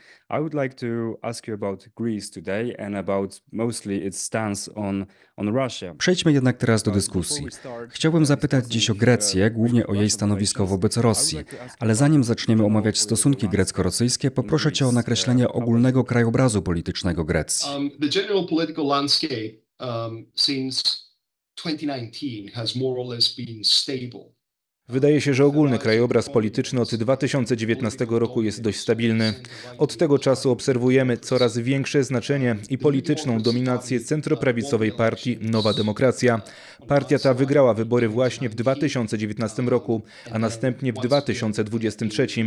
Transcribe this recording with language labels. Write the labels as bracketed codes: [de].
[en] I would like to ask you about Greece today and about mostly its stance on Russia. [pl] Przejdźmy jednak teraz do dyskusji. Chciałbym zapytać dziś o Grecję, głównie o jej stanowisko wobec Rosji. Ale zanim zaczniemy omawiać stosunki grecko-rosyjskie, poproszę cię o nakreślenie ogólnego krajobrazu politycznego Grecji. [en] The general political landscape since 2019 has more or less been stable. [pl] Wydaje się, że ogólny krajobraz polityczny od 2019 roku jest dość stabilny. Od tego czasu obserwujemy coraz większe znaczenie i polityczną dominację centroprawicowej partii Nowa Demokracja. Partia ta wygrała wybory właśnie w 2019 roku, a następnie w 2023.